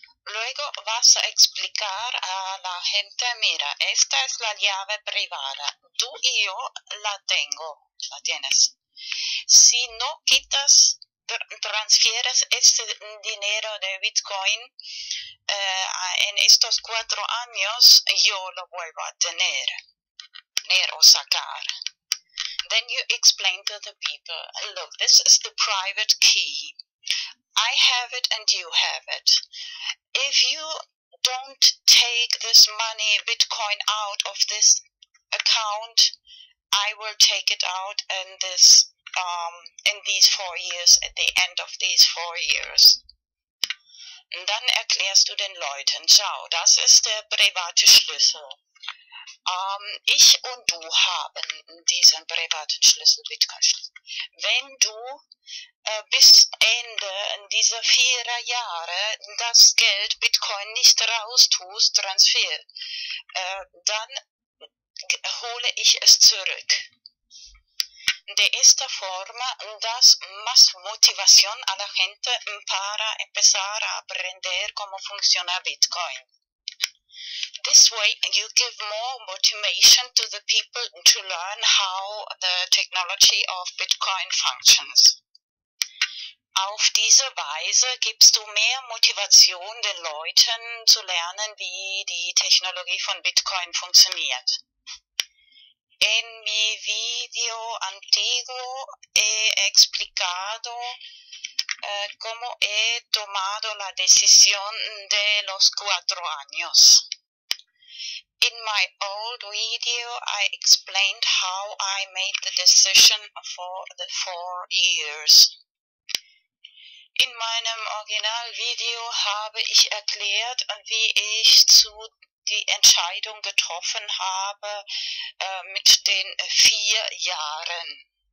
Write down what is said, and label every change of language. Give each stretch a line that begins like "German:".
Spanish: Luego vas a explicar a la gente, mira, esta es la llave privada, tú y yo la tengo, la tienes. Si no quitas, transfieres ese dinero de Bitcoin en estos 4 años, yo lo vuelvo a tener o sacar.
English: Then you explain to the people, look, this is the private key. I have it and you have it. If you don't take this money, Bitcoin, out of this account, I will take it out and this... in these 4 years, at the end of these 4 years.
German: Und dann erklärst du den Leuten, schau, das ist der private Schlüssel. Ich und du haben diesen privaten Schlüssel, Bitcoin-Schlüssel. Wenn du bis Ende dieser 4 Jahre das Geld Bitcoin nicht raustust, Transfer, dann hole ich es zurück.
Spanish: De esta forma das más motivación a la gente para empezar a aprender cómo funciona Bitcoin.
English: This way you give more motivation to the people to learn how the technology of Bitcoin functions.
German: Auf diese Weise gibst du mehr Motivation den Leuten zu lernen, wie die Technologie von Bitcoin funktioniert.
Spanish: En mi video antiguo he explicado cómo he tomado la decisión de los 4 años.
English: In my old video, I explained how I made the decision for the 4 years.
German: In meinem Originalvideo habe ich erklärt, wie ich zu die Entscheidung getroffen habe mit den 4 Jahren.